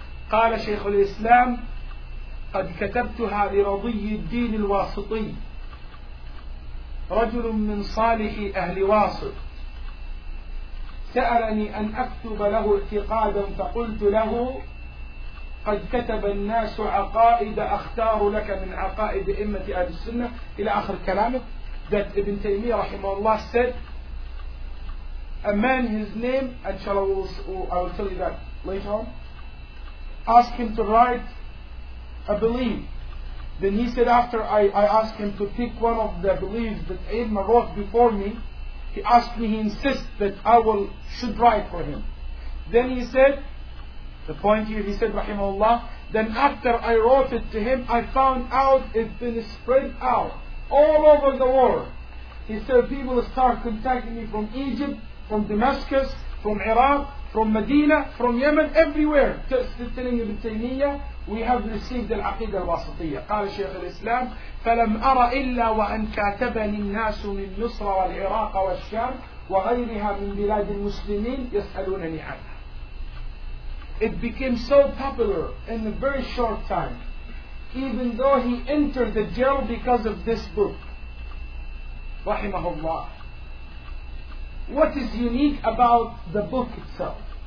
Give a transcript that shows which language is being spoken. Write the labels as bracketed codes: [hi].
[ar] قال Shaykh al-Islam قد كتبتها لرضي الدين الواسطي رجل من صالح أهل واسط سألني أن أكتب له اعتقادا فقلت له قد كتب الناس عقائد أختار لك من عقائد أئمة أهل السنة إلى آخر كلامه. [en] That Ibn Taymiyyah [ar] رحمه الله [en] said a man, his name, and shall I will tell you that later on, ask him to write a belief. Then he said, after I asked him to pick one of the beliefs that Aidma wrote before me, he asked me, he insists that I will should write for him. Then he said, the point here, he said, Rahimahullah, then after I wrote it to him, I found out it's been spread out all over the world. He said, people start contacting me from Egypt, from Damascus, from Iraq, from Medina, from Yemen, everywhere. Telling Ibn Taymiyyah, we have received the Aqidah al-Wasatiyah. [ar] قال شيخ الإسلام فلم أرى إلا وأن كاتبني الناس من مصر والعراق والشام وغيرها من بلاد المسلمين يسألونني عنها. [en] It became so popular in a very short time, even though he entered the jail because of this book. [ar] رحمه الله. [en] What is unique about the book itself?